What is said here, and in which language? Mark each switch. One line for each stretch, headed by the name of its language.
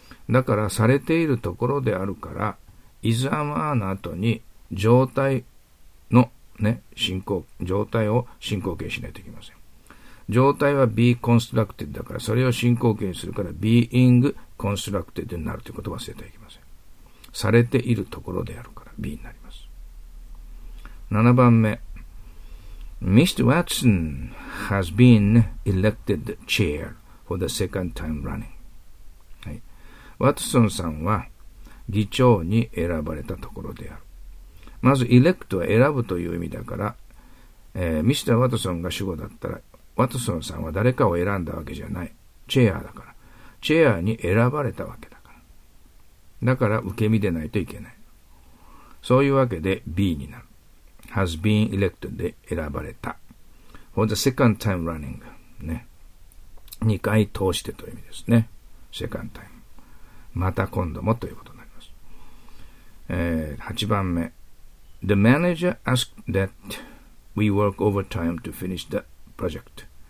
Japanese: だから、されているところであるから、
English: is a manner
Japanese: の後に、状態のね、進行、状態を進行形しないといけません。状態は
English: be constructed
Japanese: だから、それを進行形にするから、
English: being constructed
Japanese: になるということを忘れてはいけません。されているところであるから B になります。 7番目。Mr.
English: Watson has been elected chair for the second time running.
Japanese: はい。ワトソンさんは議長に選ばれたところである。まず、elect は選ぶという意味だから、Mr. Watson が主語だったら、ワトソンさんは誰かを選んだわけじゃない。チェアだから。チェアに選ばれたわけだ。だから受け身でないといけない。そういうわけで B になる。
English: has been elected
Japanese: で選ばれた。
English: for the second time running.
Japanese: ね。 2回通してという意味ですね。
English: second time.
Japanese: また今度もということになります。 8番目。
English: The manager asked that we work overtime to finish the project.